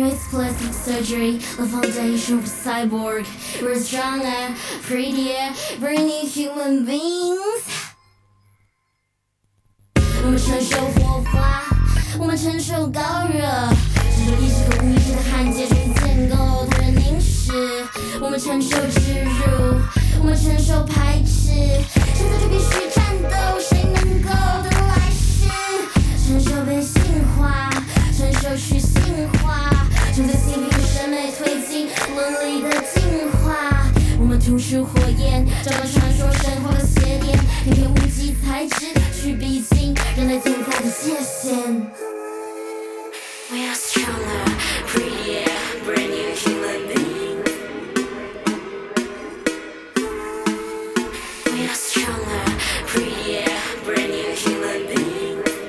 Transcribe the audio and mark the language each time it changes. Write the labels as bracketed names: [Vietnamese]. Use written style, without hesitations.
[English] Plastic surgery, a foundation for cyborg. We're stronger, prettier, brand new human beings. [Chinese] 们承受火花，我们承受高热，这种意识和无意识的焊接成建构，它的凝视，我们承受耻辱，我们承受排斥，现在就必须战斗，谁能够得到来世，承受被性化，承受去性化，承受性别审美推进伦理的进化，我们吐出火焰，找到传说神话的邪典，偏偏无极才智去逼近人类进化的界限。 [English] We are stronger, prettier, brand new human being. We are stronger, prettier, brand new human being.